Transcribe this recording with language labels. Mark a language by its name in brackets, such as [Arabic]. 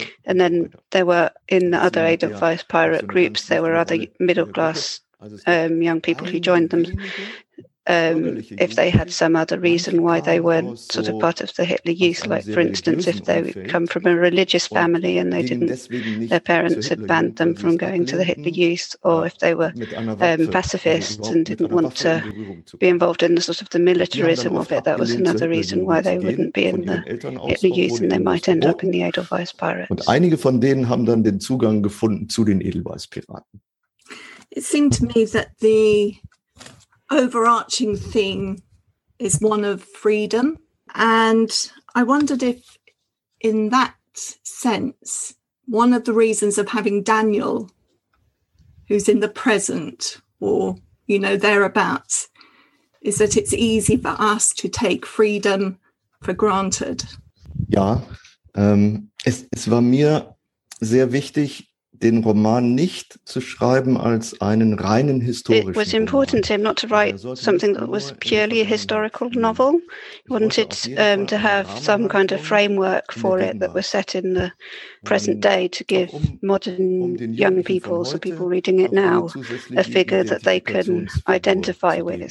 [English] And then there were in the other Edelweiss pirate groups, there were other middle-class young people who joined them if they had some other reason why they weren't sort of part of the Hitler Youth, like for instance if they come from a religious family and they didn't, their parents had banned them from going to the Hitler Youth, or if they were pacifists and didn't want to be involved in the sort of the militarism of it, that was another reason why they wouldn't be in the Hitler Youth and they might end up in the Edelweiss Pirates. [German] Und einige von denen haben dann den Zugang gefunden zu den Edelweiss Piraten. [English] It seemed to me that the overarching theme is one of freedom. And I wondered if, in that sense, one of the reasons of having Daniel, who's in the present or, you know, thereabouts, is that it's easy for us to take freedom for granted. [German] Ja, es war mir sehr wichtig, den Roman nicht zu schreiben als einen reinen historischen. [English] It was important to him not to write something that was purely a historical novel. He wanted to have some kind of framework for it that was set in the present day to give modern young people, so people reading it now, a figure that they can identify with.